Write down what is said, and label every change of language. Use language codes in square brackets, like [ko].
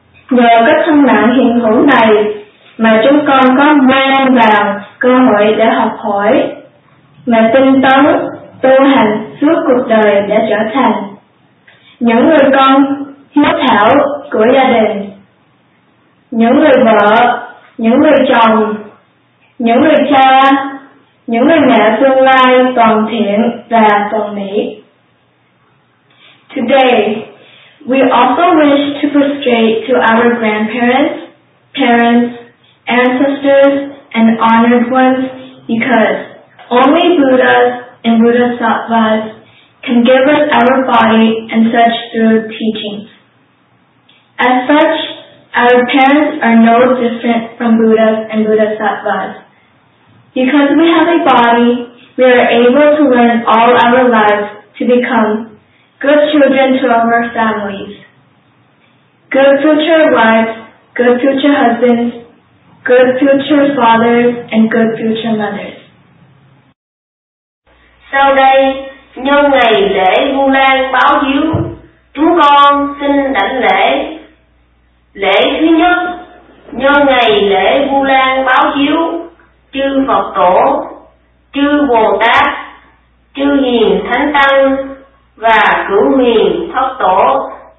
[vi] Nhờ các thân mạng hiện hữu này mà chúng con có mang vào cơ hội để học hỏi, mà tinh tấn tu hành suốt cuộc đời đã trở thành những người con hiếu thảo của gia đình, những người vợ, những người chồng, những người cha, những người mẹ tương lai toàn thiện và toàn mỹ. [en] Today, we also wish to prostrate to our grandparents, parents, ancestors, and honored ones because only Buddhas and Bodhisattvas can give us our body and such through teachings. As such, our parents are no different from Buddhas and Bodhisattvas. Because we have a body, we are able to learn all our lives to become good children to our families, good future wives, good future husbands, good future fathers, and good future mothers. [vi] Sau đây, nhân ngày lễ Vu Lan báo hiếu, chúng con xin đảnh lễ. Lễ thứ nhất, nhân ngày lễ Vu Lan báo hiếu, chư Phật Tổ, chư Bồ Tát, chư Hiền Thánh Tăng và Cửu Hiền Thất Tổ.